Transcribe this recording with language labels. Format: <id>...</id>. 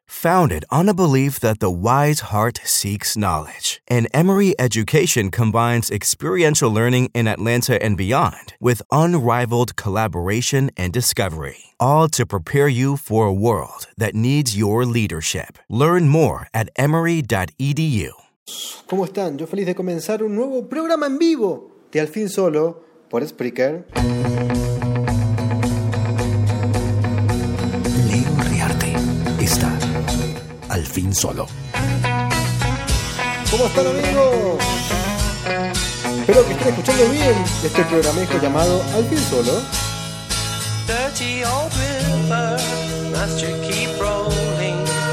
<en>Founded on a belief that the wise heart seeks knowledge, an Emory education combines experiential learning in Atlanta and beyond with unrivaled collaboration and discovery, all to prepare you for a world that needs your leadership. Learn more at emory.edu.</en> <es>¿Cómo están? Yo feliz de comenzar un nuevo programa en vivo de Al Fin Solo por Spreaker. Leo Riarte está Al Fin Solo. ¿Cómo están, amigos? Espero que estén escuchando bien este programa llamado Al Fin Solo.</es> <en>Dirty old river must you keep rolling.</en>